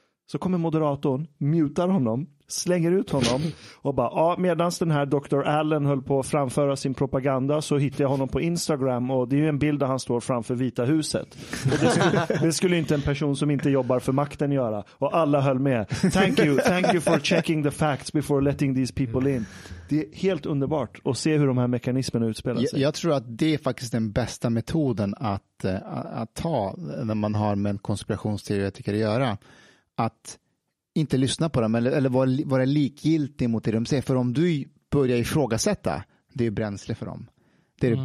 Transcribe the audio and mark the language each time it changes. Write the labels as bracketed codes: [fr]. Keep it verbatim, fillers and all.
[sv] Så kommer moderatorn, mutar honom, slänger ut honom och bara, ja, medan den här doktor Allen höll på att framföra sin propaganda så hittade jag honom på Instagram och det är ju en bild där han står framför Vita huset. Och det, skulle, det skulle inte en person som inte jobbar för makten göra. Och alla höll med. [en] Thank you, thank you for checking the facts before letting these people in. [sv] Det är helt underbart att se hur de här mekanismerna utspelar sig. Jag, jag tror att det är faktiskt den bästa metoden att, att ta när man har med en konspirationsteoretiker att göra. Att inte lyssna på dem eller, eller vara, vara likgiltig mot det de säger. För om du börjar ifrågasätta, det är bränsle för dem. Det är det mm.